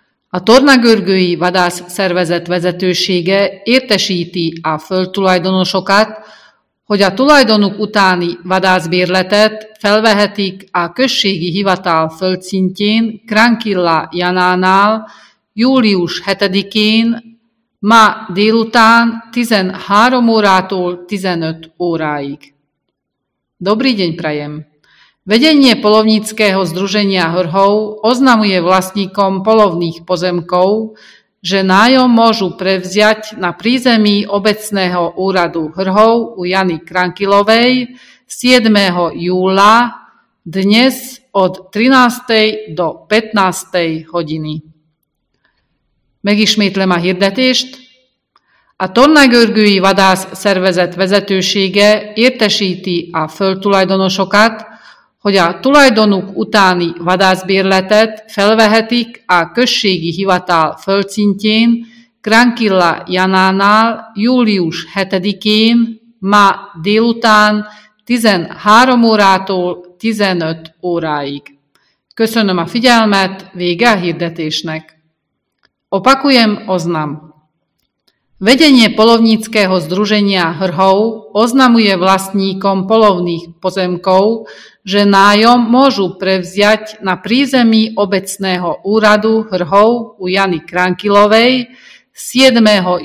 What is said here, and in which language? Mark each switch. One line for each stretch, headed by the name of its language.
Hungarian: A Tornagörgői Vadász Szervezet vezetősége értesíti a földtulajdonosokat, hogy a tulajdonuk utáni vadászbérletet felvehetik a községi hivatal földszintjén Krankilla Janánál július 7-én ma délután 13 órától 15 óráig.
Slovak: Dobrý deň prajem! Vedenie polovníckého združenia Hrhov oznamuje vlastníkom polovných pozemkov, že nájom môžu prevziať na prízemí obecného úradu Hrhov u Jany Krankilovej 7. júla dnes od 13. do 15. hodiny.
Hungarian: Megismétlem a hirdetést. A Tornagörgői Vadász Szervezet vezetősége értesíti a földtulajdonosokat, hogy a tulajdonuk utáni vadászbérletet felvehetik a községi hivatal földszintjén Krankilla Janánál július 7-én ma délután 13 órától 15 óráig. Köszönöm a figyelmet, vége a hirdetésnek.
Slovak: Opakujem oznam. Vedenie polovníckého združenia Hrhov oznamuje vlastníkom polovných pozemkov, že nájom môžu prevziať na prízemí obecného úradu Hrhov u Jany Krankilovej 7.